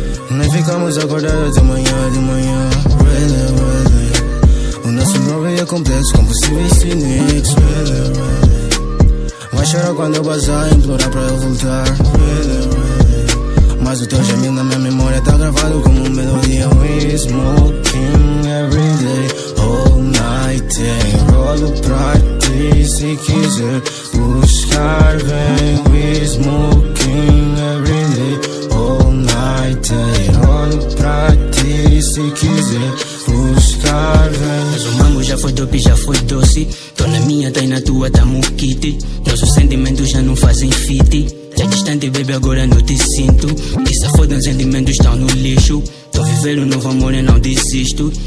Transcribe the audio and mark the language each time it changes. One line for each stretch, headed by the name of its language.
Portuguese: Nós ficamos acordados até amanhã de manhã.
English: Really, really.
Portuguese: O nosso nome é complexo, com possíveis cynics.
English: Really, really.
Portuguese: Vai chorar quando eu bazar, implorar pra eu voltar.
English: Really, really.
Portuguese: Mas o teu gemido na minha memória tá gravado como um melodia.
English: We smoking every day, all night.
Portuguese: Enrolo pra ti se quiser buscar. Vem,
English: we smoking every day, all night.
Portuguese: Enrolo pra ti se quiser buscar. Vem. Mas o mango já foi dope, já foi doce. Tô na minha, tá aí na tua, tamo kit. Nossos sentimentos já não fazem fit. Já distante, baby, agora não te sinto. Que safado, os sentimentos estão no lixo. Tô vivendo um novo amor e não desisto.